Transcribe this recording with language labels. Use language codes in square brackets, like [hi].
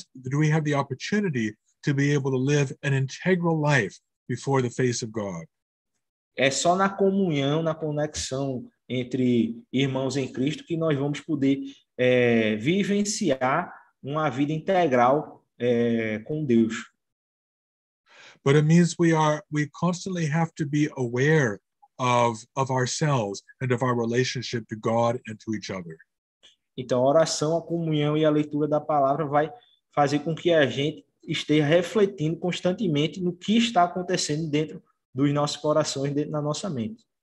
[en] do we have the opportunity to be able to live an integral life before the face of God. [pt] É só na comunhão, na conexão entre irmãos em Cristo, que nós vamos poder vivenciar uma vida integral com Deus. [en] But it means we constantly have to be aware of ourselves and of our relationship to God and to each other. [pt] Então, a oração, a comunhão e a leitura da palavra vai fazer com que a gente esteja refletindo constantemente no que está acontecendo dentro dos nossos corações, dentro da nossa mente.